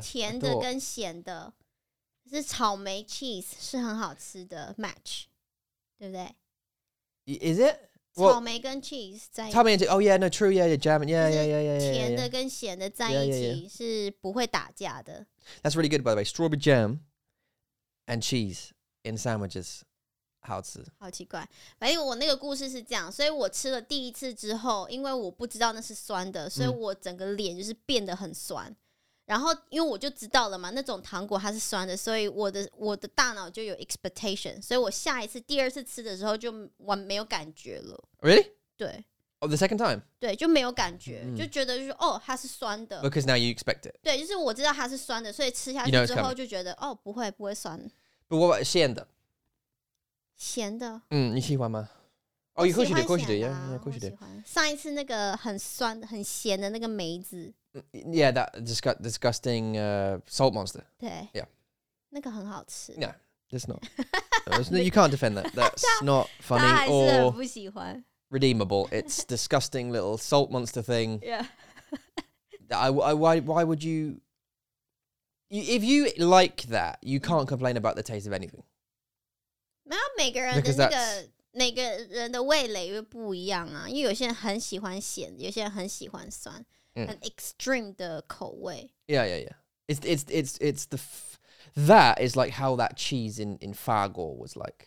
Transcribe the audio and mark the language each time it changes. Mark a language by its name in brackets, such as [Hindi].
[Chinese] 甜的跟咸的是草莓 cheese 是很好吃的 match, 对不对 [English] Is it? [Chinese] Well, 草莓跟 cheese 在一起草莓跟 [English] cheese Oh yeah, no, true, yeah, yeah, jam yeah. [Chinese] 甜的跟咸的在一起 [English] yeah, yeah, [Chinese] yeah. 是不会打架的 [English] That's really good, by the way Strawberry jam and cheese in sandwiches [Chinese] 好吃好奇怪反正我那个故事是这样所以我吃了第一次之后因为我不知道那是酸的所以我整个脸就是变得很酸、嗯、然后因为我就知道了嘛那种糖果它是酸的所以我的大脑就有 expectation 所以我下一次第二次吃的时候就完没有感觉了 [English] Really? [Chinese] 对。 [English] Oh, the second time? [Chinese] 对,就没有感觉,就觉得就是,哦,它是酸的。 [English] Because now you expect it. [Chinese] 对,就是我知道它是酸的,所以吃下去之后就觉得,哦,不会,不会酸。 [English] But what about 咸的? [Chinese] 咸的? [English] 嗯, [Chinese] 你喜欢吗? [English] Oh, you could do, yeah, [Chinese] 我喜欢。上一次那个很酸,很咸的那个梅子。 [English] Yeah, that disgusting salt monster. [Chinese] 对。 [English] Yeah. [Chinese] 那个很好吃。 [English] Yeah. It's not. You can't defend that. That's not funny or redeemable. It's disgusting little salt monster thing. Yeah. Why would you, you... If you like that, you can't complain about the taste of anything. Because that's... [Chinese] 每个人的味蕾又不一样啊，因为有些人很喜欢咸，有些人很喜欢酸，很extreme的口味。 [English] Yeah, yeah, yeah. It's the... That is like how that cheese in Fargo was like.